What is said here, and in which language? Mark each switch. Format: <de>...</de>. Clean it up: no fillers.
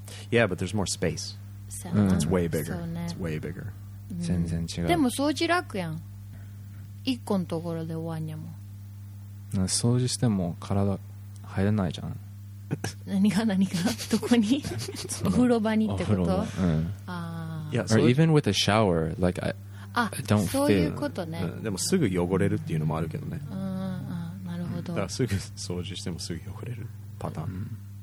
<en>Yeah, but there's more space. It's way bigger. It's way bigger.</en> <ja>全然違う。でも掃除楽やん。一個のところで終わんやもん。掃除しても体入れないじゃん。何が何がどこにお風呂場にってこと、</ja> <en>うん、yeah, or even with a shower like I don't</en> <ja>そういうことね、うん、でもすぐ汚れるっていうのもあるけどね、うんうん、なるほど、だからすぐ掃除してもすぐ汚れるパターン、うん、</ja>